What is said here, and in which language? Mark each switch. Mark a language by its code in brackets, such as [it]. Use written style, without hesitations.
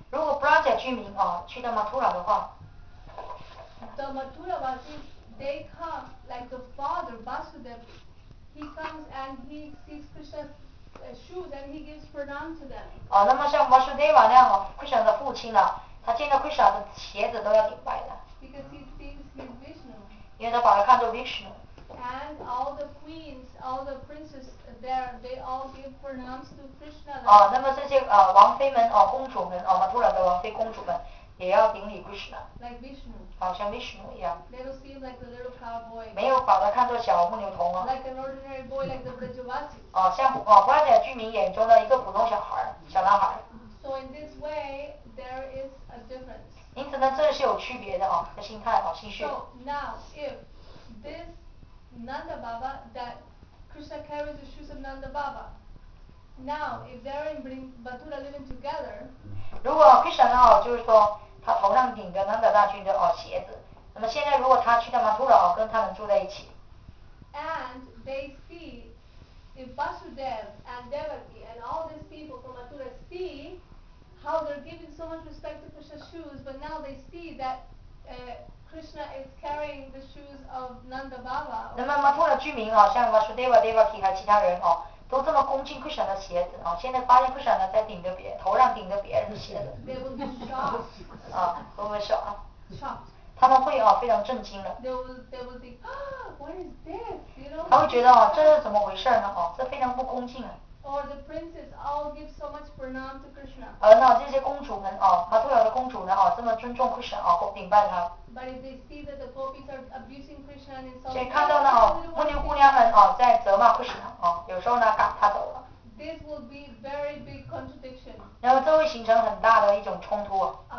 [zh] 如果 Braja 居民啊去到 Mathura 的话 [en] ，the Mathura Vasis they come like the father Vasudev, he comes and he sees Krishna's shoes and he gives pranam to them. [zh] 哦，那么像 Vasudeva 那样哦 ，Krishna 的父亲呢，他见到 Krishna 的鞋子都要礼拜的。 [en] Because he sees his Vishnu. [zh] 因为他把他看作 Vishnu。 [en] And all the queens, all the princes there, they all give pranams to Krishna. [zh] 哦，那么这些啊、王妃们哦、公主们哦、Mathura的王妃公主们，也要顶礼 Krishna. [en] Like Vishnu. [zh] 好像 Vishnu 一样。 [en] They don't seem like a little cowboy. [zh] 没有把他看作小牧牛童啊。 [en] Like an ordinary boy, like the Brajavasi. [zh] 哦，像哦 Braja 居民眼中的一个普通小孩小男孩。 [en] So in this way, there is a difference. [zh] 因此呢，这是有区别的啊、哦，心态啊、哦，心绪。 [en] So now, if this Nanda Baba, that Krishna carries the shoes of Nanda Baba. Now, if they're in Mathura living together, [zh] 如果 Krishna 呢，就是说他头上顶着 Nanda 大君的哦鞋子，那么现在如果他去到 Mathura 哦，跟他们住在一起。 [en] And they see if Vasudev and Devaki and all these people from Mathura see how they're giving so much respect to Krishna's shoes, but now they see that. Krishna is carrying the shoes of Nanda Baba. [zh] 那么 Mathura 居民啊，像 Vasudeva、Devaki 和其他人哦，都这么恭敬 Krishna 的鞋子啊，现在发现 Krishna 呢在顶着别头上顶着别人的鞋子。 [en] They will be shocked. [zh] 啊，会不会 shock 啊？ [en] Shocked. [zh] 他们会啊，非常震惊了。 [en] They will think, what is this? You know. [zh] 他会觉得啊，这是怎么回事呢？哦，这非常不恭敬啊。 [en] Or the princes all give so much pranam to Krishna. [zh] 而呢，这些公主们啊 ，Mathura 的公主呢啊，这么尊重 Krishna 啊，顶拜他。 [en] But if they see that the gopis are abusing Krishna and insulting, [zh] 所以看到呢哦，牧牛姑娘们哦在责骂 Krishna 哦，有时候呢赶他走了。 [en] This will be very big contradiction. [zh] 然后这会形成很大的一种冲突。